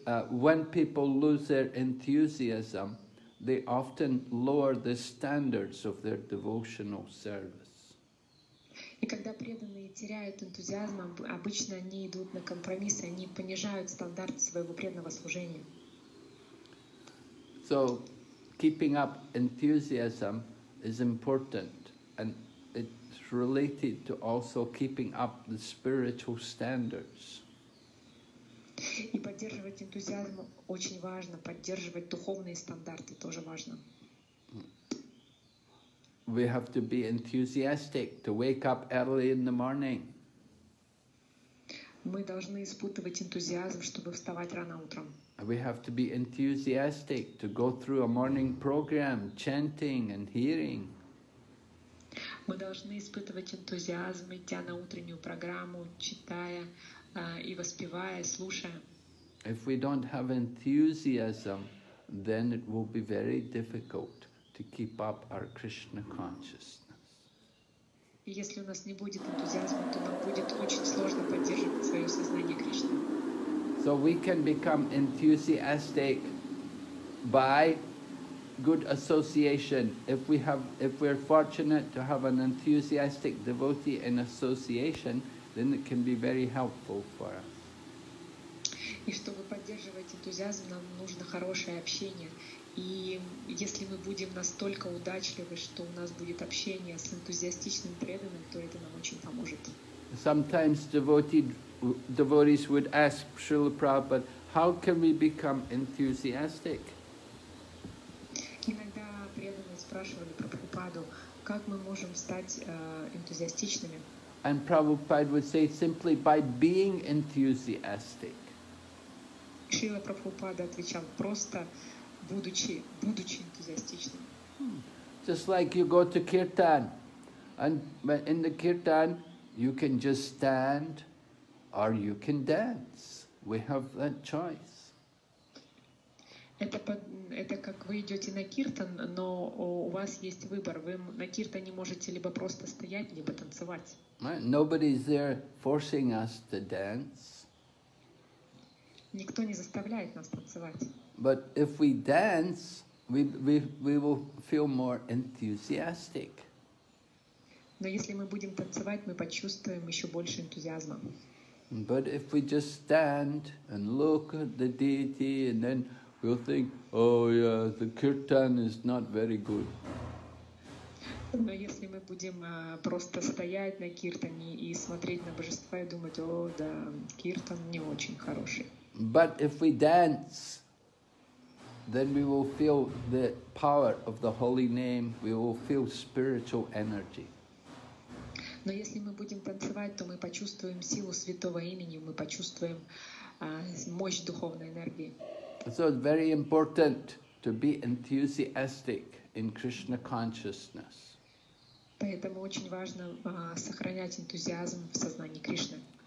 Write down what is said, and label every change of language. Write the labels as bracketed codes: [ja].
[en] When people lose their enthusiasm, they often lower the standards of their devotional service. [ru] И когда преданные теряют энтузиазм, обычно они идут на компромиссы, они понижают стандарты своего преданного служения. [en] So, keeping up enthusiasm is important, and it's related to also keeping up the spiritual standards. [ru] И поддерживать энтузиазм очень важно, поддерживать духовные стандарты тоже важно. [en] We have to be enthusiastic to wake up early in the morning. [ru] Мы должны испытывать энтузиазм, чтобы вставать рано утром. [en] We have to be enthusiastic to go through a morning program, chanting and hearing. [ru] Мы должны испытывать энтузиазм, идя на утреннюю программу, читая и воспевая, слушая. [en] If we don't have enthusiasm, then it will be very difficult to keep up our Krishna consciousness. [ru] Если у нас не будет энтузиазма, то нам будет очень сложно поддерживать свое сознание Кришны. [en] So we can become enthusiastic by good association. If we're fortunate to have an enthusiastic devotee in association, then it can be very helpful for us. [ru] И чтобы поддерживать энтузиазм, нам нужно хорошее общение. И если мы будем настолько удачливы, что у нас будет общение с энтузиастичным преданным, то это нам очень поможет. [en] Sometimes devotees would ask Srila Prabhupada, how can we become enthusiastic? [ru] Иногда преданные спрашивали Прабхупаду, как мы можем стать энтузиастичными? [en] And Prabhupada would say, simply by being enthusiastic. [ru] Шрила Прабхупада отвечал, просто будучи энтузиастичным. [en] Just like you go to Kirtan, and in the Kirtan, you can just stand, or you can dance. We have that choice. [ru] Это как вы идете на киртан, но у вас есть выбор. Вы на киртане можете либо просто стоять, либо танцевать. [en] Nobody is there forcing us to dance. [ru] Никто не заставляет нас танцевать. [en] But if we dance, we will feel more enthusiastic. [ru] Но если мы будем танцевать, мы почувствуем еще больше энтузиазма. [en] But if we just stand and look at the deity, and then we'll think, oh yeah, the kirtan is not very good. [ru] Но если мы будем просто стоять на киртане и смотреть на божество и думать, о, да, киртан не очень хороший. [en] But if we dance, then we will feel the power of the holy name, we will feel spiritual energy. [ru] Но если мы будем танцевать, то мы почувствуем силу святого имени, мы почувствуем мощь духовной энергии. [en] So it's very important to be enthusiastic in Krishna consciousness. [ru] Поэтому очень важно сохранять энтузиазм в сознании Кришны.